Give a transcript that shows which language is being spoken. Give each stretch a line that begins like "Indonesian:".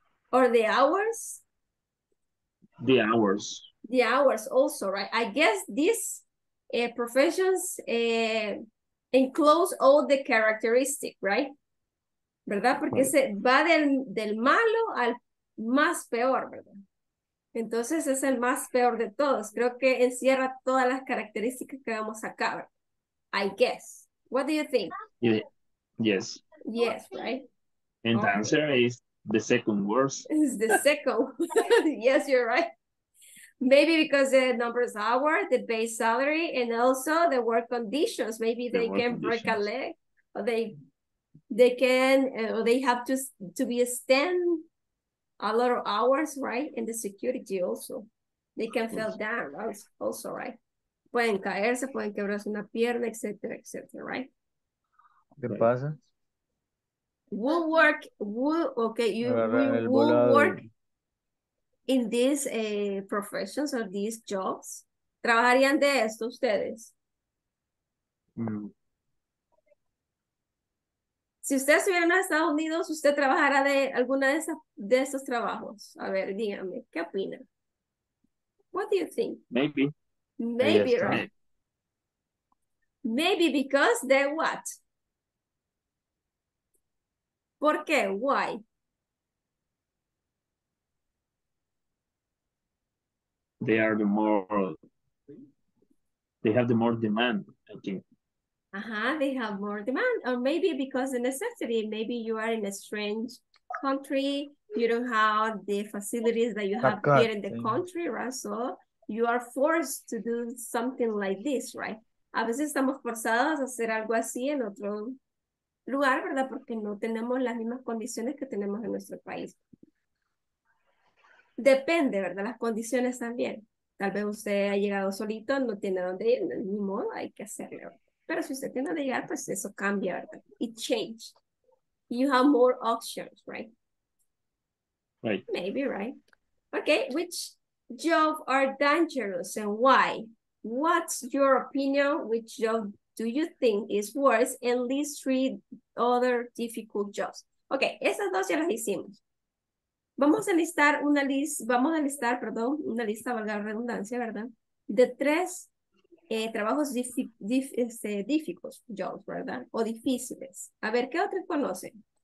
English: Or the hours? The hours also, right? I guess these professions enclose all the characteristic, right?
Spanish: ¿Verdad? Porque right. se va del malo al más peor, ¿verdad? Entonces es el más peor de todos. Creo que encierra todas las características que vamos a cover.
English: I guess. What do you think? Yes. Yes, right? And the answer is the second worst. It's the second. Yes, you're right. Maybe because the numbers hour, the base salary, and also the work conditions. Maybe they can break a leg, or they have to stand a lot of hours, right? And the security also. They can fall down, also, right?
Spanish: pueden caerse, pueden quebrarse una pierna, etcétera, etcétera, right? ¿Qué pasa?
English: We'll work, we'll, okay, you will work in these professions or these jobs.
Spanish: ¿Trabajarían de esto ustedes? Si usted estuviera en Estados Unidos, ¿usted trabajara de alguna de esas, de estos trabajos? A ver, dígame, ¿qué opina?
English: What do you think? Maybe. Maybe, yes, right? Maybe because they what?
Spanish: ¿Por qué?
English: Why? They are the more, they have the more demand, I think. Uh-huh, they have more demand, or maybe because of necessity. Maybe you are in a strange country, you don't have the facilities that you have here in the country, right? So you are forced to do something like this, right?
Spanish: A veces estamos forzados a hacer algo así en otro lugar, ¿verdad? Porque no tenemos las mismas condiciones que tenemos en nuestro país. Depende, ¿verdad? Las condiciones también. Tal vez usted ha llegado solito, no tiene dónde ir, ni modo, hay que hacerlo. Pero si usted tiene que llegar, pues eso cambia, ¿verdad?
English: It changed. You have more options, right? Right. Maybe, right? Okay, which jobs are dangerous and why? What's your opinion? Which job do you think is worse and least three other difficult jobs?
Spanish: Okay, esas dos ya las hicimos. Vamos a listar una lista, vamos a listar, perdón, una lista, valga la redundancia, ¿verdad? De tres trabajos difíciles, jobs, ¿verdad? O difíciles. A ver, ¿qué otros conocen?